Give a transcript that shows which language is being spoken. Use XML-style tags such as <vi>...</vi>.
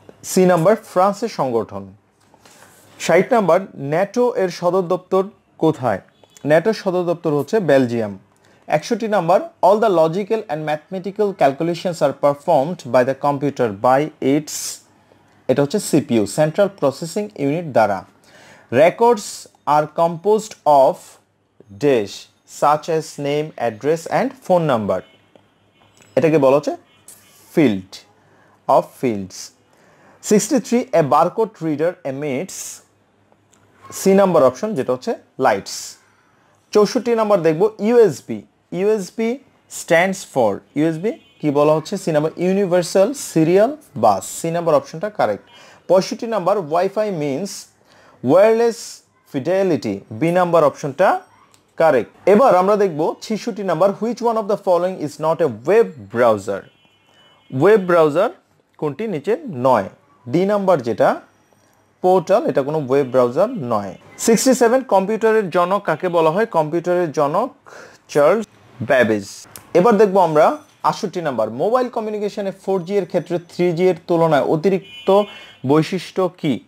<bn>C number ফ্রান্সের সংগঠন 60 number NATO এর সদর দপ্তর কোথায় ন্যাটোর সদর দপ্তর হচ্ছে Belgium 61 number</bn> <en>all the logical and mathematical calculations are performed by the computer by its</en> <bn>এটা হচ্ছে সিপিইউ সেন্ট্রাল প্রসেসিং ইউনিট দ্বারা</bn> <en>records are composed of dash such as name, address and phone number.</en> <bn>এটাকে বলা হচ্ছে field of fields.</bn> <en>63, a barcode reader emits C number option</en> <bn>যেটা হচ্ছে</bn> <en>lights.</en> <bn>64 নম্বর দেখব USB.</bn> <en>USB stands for USB</en> <bn>কি বলা হচ্ছে</bn> <en>C number universal serial bus.</en> <bn>C number অপশনটা কারেক্ট.</bn> <en>65 number Wi-Fi means wireless fidelity.</en> <bn>B number অপশনটা কারেক্ট. এবার আমরা দেখব 66 নম্বর</bn> <en>which one of the following is not a web browser.</en> <bn>Web browser কোনটি নিচে নয়. D number যেটা পোর্টাল এটা কোনো ওয়েব ব্রাউজার নয়. 67 কম্পিউটারের জনক কাকে বলা হয়? কম্পিউটারের জনক চার্লস ব্যাবেজ. এবার দেখব আমরা 68 নাম্বার মোবাইল কমিউনিকেশনে 4G এর ক্ষেত্রে 3G এর তুলনায় অতিরিক্ত বৈশিষ্ট্য কি?</bn>